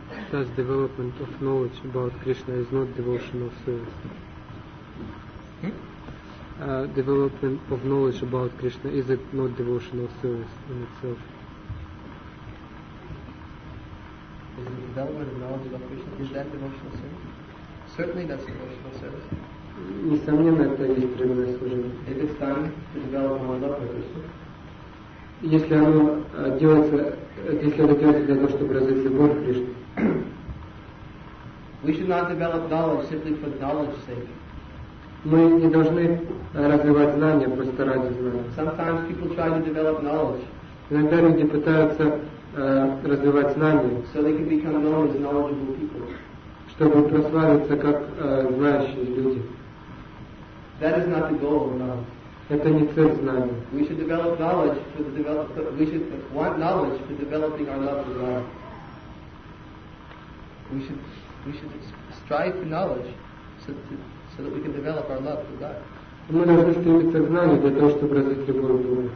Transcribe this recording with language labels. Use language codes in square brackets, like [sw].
[en] Thus development of knowledge about Krishna is not devotional service. Development of knowledge about Krishna, is it not devotional service in itself? Is the development of knowledge about Krishna, is that devotional service? Certainly that's devotional service. [ru] Несомненно, это и есть преданное служение. [en] If it's done to develop more love for Krishna. [ru] Если оно делается, если это делается для того, чтобы развить любовь к Кришне. [en] We should not develop knowledge simply for knowledge's sake. [ru] Мы не должны развивать знания просто ради знания. [en] Sometimes people try to develop knowledge. [ru] Иногда люди пытаются развивать знания. [en] So they can become known as knowledgeable people. [ru] Чтобы прославиться как знающие люди. [en] That is not the goal of knowledge. [ru] Это не цель знания. [en] We should develop knowledge for the develop. We should want knowledge for developing our love for God. We should strive for knowledge so that we can develop our love for God. [ru] Мы должны стремиться к знанию для того, чтобы развить любовь к Богу.